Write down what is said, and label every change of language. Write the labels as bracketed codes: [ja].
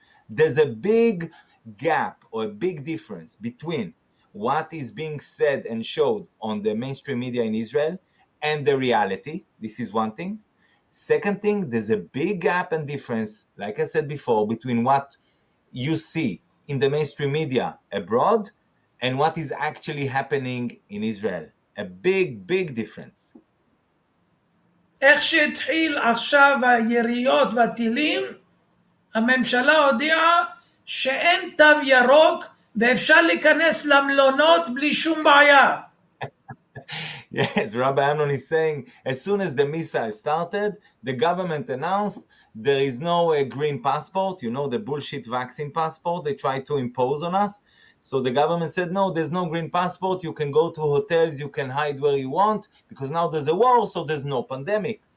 [en] There's a big gap or a big difference between what is being said and showed on the mainstream media in Israel and the reality. This is one thing. Second thing, there's a big gap and difference, like I said before, between what you see in the mainstream media abroad and what is actually happening in Israel. A big, big difference. [he] איך שהתחיל עכשיו היריות והטילים, הממשלה הודיעה שאין תו ירוק ואפשר להיכנס למלונות בלי שום בעיה. [en] Yes, Rabbi Amnon is saying, as soon as the missile started, the government announced there is no green passport, you know, the bullshit vaccine passport they tried to impose on us. So the government said, no, there's no green passport. You can go to hotels. You can hide where you want, because now there's a war, so there's no pandemic.